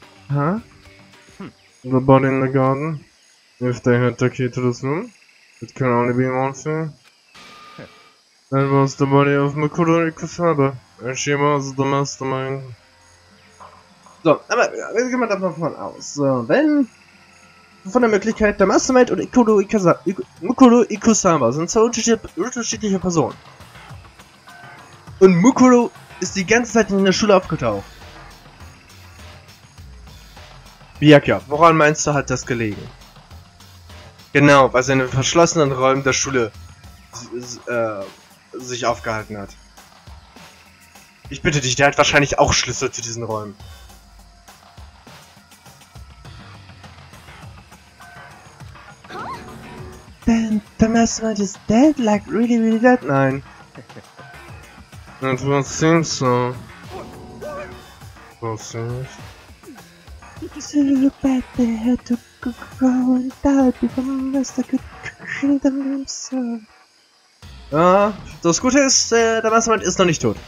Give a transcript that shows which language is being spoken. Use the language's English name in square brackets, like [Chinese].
[English] Huh? The body in the garden. If they had the key to this room, it can only be one thing. That was the body of Makoto Ikusaba, and she was the mastermind. [German] So, aber wir gehen mal davon aus. So, wenn von der Möglichkeit der Mastermind und Makoto Ikusaba sind zwei unterschiedliche Personen. Und Makoto ist die ganze Zeit in der Schule aufgetaucht. Biakia, woran meinst du, hat das gelegen? Genau, weil sie in den verschlossenen Räumen der Schule sich aufgehalten hat. Ich bitte dich, der hat wahrscheinlich auch Schlüssel zu diesen Räumen. [English] Then the mastermind is dead, like really, really dead? [German] Nein. [English] It won't seem so. Well, seems. It's a little bad they had to go and die before the master could kill them themselves. [German] Ja, das Gute ist, der Mastermind ist noch nicht tot.